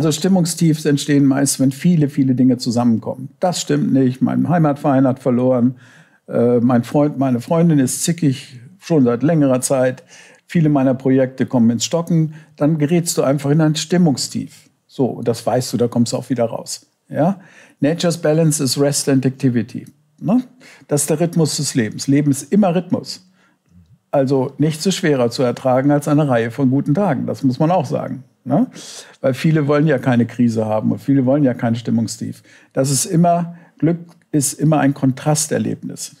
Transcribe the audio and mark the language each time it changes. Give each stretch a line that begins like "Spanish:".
German: Also Stimmungstiefs entstehen meist, wenn viele, viele Dinge zusammenkommen. Das stimmt nicht, mein Heimatverein hat verloren, mein Freund, meine Freundin ist zickig, schon seit längerer Zeit. Viele meiner Projekte kommen ins Stocken, dann gerätst du einfach in ein Stimmungstief. So, das weißt du, da kommst du auch wieder raus. Ja?
English: Nature's Balance is Rest and Activity.
German: Ne? Das ist der Rhythmus des Lebens. Leben ist immer Rhythmus. Also nichts ist schwerer zu ertragen als eine Reihe von guten Tagen. Das muss man auch sagen. Ne? Weil viele wollen ja keine Krise haben und viele wollen ja keinen Stimmungstief. Das ist immer, Glück ist immer ein Kontrasterlebnis.